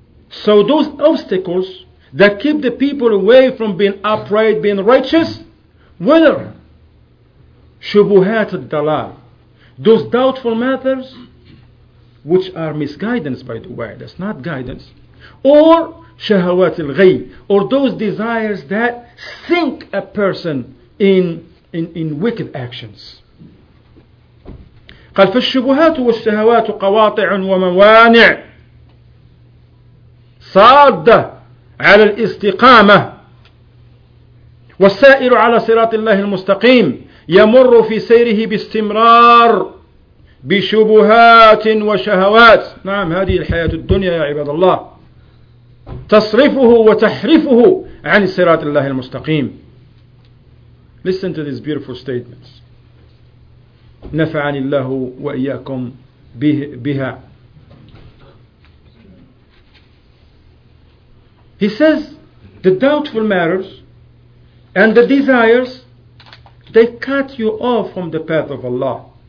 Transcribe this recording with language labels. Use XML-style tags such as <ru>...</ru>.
<en>So those obstacles that keep the people away from being upright, being righteous, whether shubuhat dalal, those doubtful matters, which are misguidance, by the way, that's not guidance, or shahawat al-ghay, or those desires that sink a person in wicked actions.</en> <ar>قال فالشبهات والشهوات قواطع وموانع صادة على الاستقامة والسائر على صراط الله المستقيم يمر في سيره باستمرار بشبهات وشهوات. نعم هذه الحياة الدنيا يا عباد الله تصرفه وتحرفه عن صراط الله المستقيم.</ar> <en>Listen to these beautiful statements.</en> <ar>نفعني الله وإياكم بها.</ar> <en>He says the doubtful matters and the desires, they cut you off from the path of Allah.</en>